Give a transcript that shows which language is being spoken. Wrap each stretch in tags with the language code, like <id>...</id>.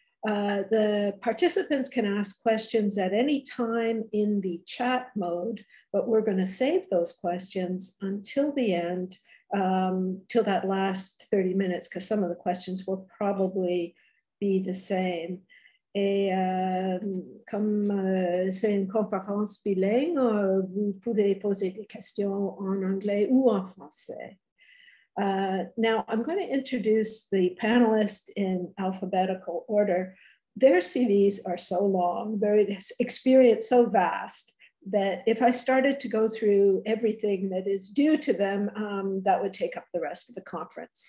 <en>The participants can ask questions at any time in the chat mode, but we're going to save those questions until the end, till that last 30 minutes, because some of the questions will probably be the same.</en> <fr>Et comme c'est une conférence bilingue, vous pouvez poser des questions en anglais ou en français.</fr> <en>Now, I'm going to introduce the panelists in alphabetical order. Their CVs are so long, their experience so vast, that if I started to go through everything that is due to them, that would take up the rest of the conference.</en>